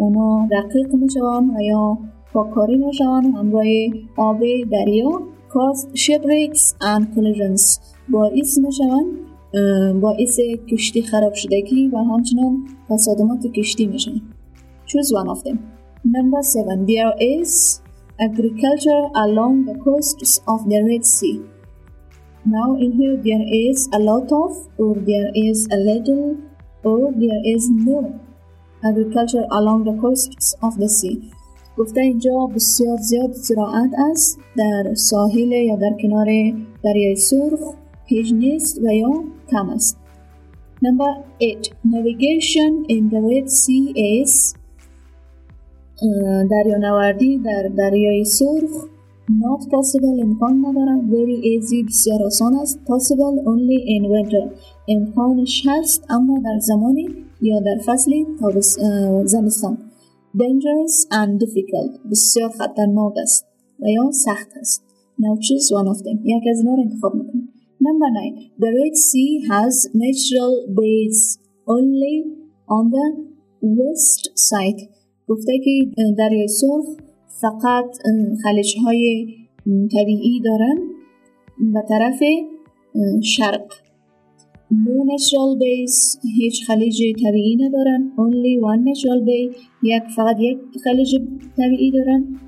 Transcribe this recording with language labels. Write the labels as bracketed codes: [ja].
[fa] اونا رقیق میشن و یا پاکاری میشن همراه آب دریا. [en] Cause shipwrecks and collisions. [fa] باعث میشن باعث کشتی خراب شدگی و همچنان تصادمات کشتی میشن. [en] Choose one of them. Number 7. There is agriculture along the coasts of the Red Sea. Now in here there is a lot of, or there is a little, or there is no agriculture along the coasts of the sea. [fa] گفته اینجا بسیار زیاد زراعت است در ساحل یا در کنار دریای سرخ, هیچ نیست و یا کم است. [en] Number 8. Navigation in the Red Sea is [fa] دریانوردی در دریای سرخ [en] not possible, [fa] امکان نداره. [en] Very easy, [fa] بسیار آسان است. [en] Possible only in winter, [fa] امکانش هست اما در زمانی یا در فصل زمستان. [en] Dangerous and difficult, [fa] بسیار خطرناک است و یا سخت است. [en] Now choose one of them. [fa] یک از اینا رو انتخاب میکنیم. [en] Number 9. The Red Sea has natural bays only on the west side. [fa] گفته که دریای سرخ فقط خلیج های طبیعی دارن به طرف شرق. [en] No natural bays, [fa] هیچ خلیج طبیعی ندارن. [en] Only one natural bay, [fa] فقط یک خلیج طبیعی دارن.